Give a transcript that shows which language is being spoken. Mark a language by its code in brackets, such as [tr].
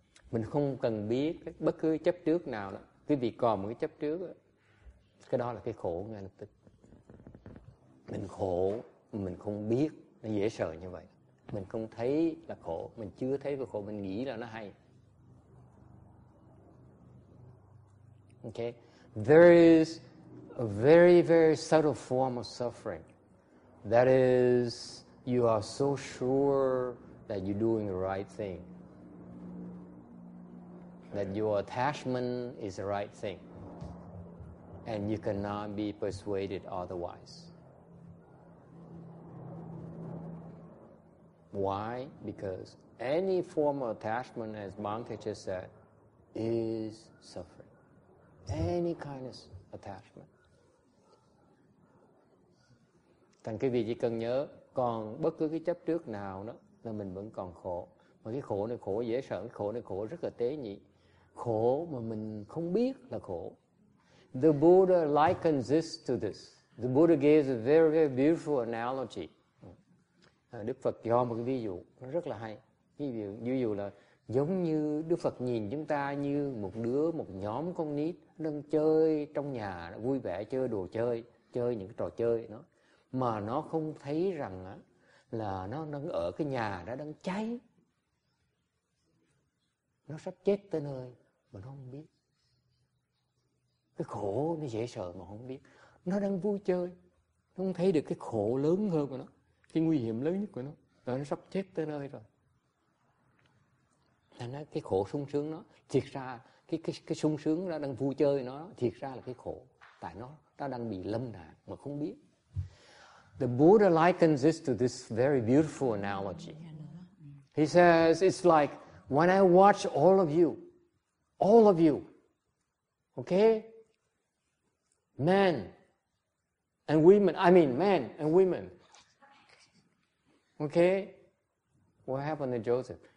[vi] Mình không cần biết bất cứ chấp trước nào đó. Quý vị còn một cái chấp trước đó. Cái đó là cái khổ ngay lập tức. Mình khổ, mình không biết. Nó dễ sợ như vậy. Mình không thấy là khổ. Mình chưa thấy cái khổ, mình nghĩ là nó hay. [en] Okay. There is a very, very subtle form of suffering. That is, you are so sure that you're doing the right thing. That your attachment is the right thing. And you cannot be persuaded otherwise. Why? Because any form of attachment, as Bhante said, is suffering. Any kind of attachment. [vi] Thành quý vị chỉ cần nhớ, còn bất cứ cái chấp trước nào đó, là mình vẫn còn khổ. Mà cái khổ này khổ dễ sợ, cái khổ này khổ rất là tế nhị. Khổ mà mình không biết là khổ. [en] The Buddha likens this to this. The Buddha gives a very, very beautiful analogy. [vi] Đức Phật cho một cái ví dụ rất là hay. Ví dụ là giống như Đức Phật nhìn chúng ta như một đứa, một nhóm con nít đang chơi trong nhà, vui vẻ chơi đồ chơi, chơi những cái trò chơi đó. Mà nó không thấy rằng là nó đang ở cái nhà đó đang cháy. Nó sắp chết tới nơi mà nó không biết. Cái khổ nó dễ sợ mà không biết. Nó đang vui chơi, nó không thấy được cái khổ lớn hơn của nó, cái nguy hiểm lớn nhất của nó, là nó sắp chết tới nơi rồi. Thành ra cái khổ sung sướng nó, thiệt ra cái sung sướng nó đang vui chơi nó, thiệt ra là cái khổ, tại nó đang bị lâm nạn mà không biết. [en] The Buddha likens this to this very beautiful analogy. He says it's like when I watch all of you, okay, men and women. I mean, men and women. Okay, what happened to Joseph?